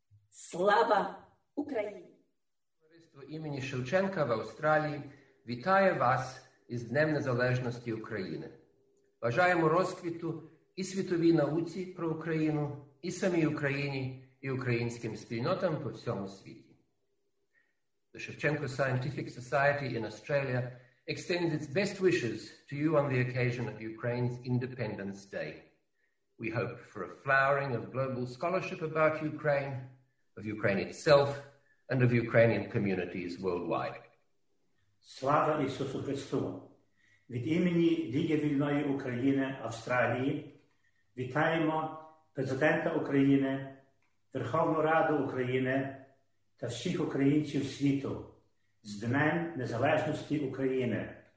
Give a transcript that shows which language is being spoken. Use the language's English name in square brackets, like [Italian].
[Ukrainian] Слава Україні! Товариство імені Шевченка в Австралії вітає вас із Днем Незалежності України. Бажаємо розквіту і світовій науці про Україну, і самій Україні, і українським спільнотам по всьому світі. [English] The Shevchenko Scientific Society in Australia extends its best wishes to you on the occasion of Ukraine's Independence Day. We hope for a flowering of global scholarship about Ukraine, of Ukraine itself, and of Ukrainian communities worldwide. [Ukrainian] Слава Ісусу Христу! Від імені Ліги Вільної України Австралії вітаємо Президента України, Верховну Раду України та всіх українців світу з Днем Незалежності України.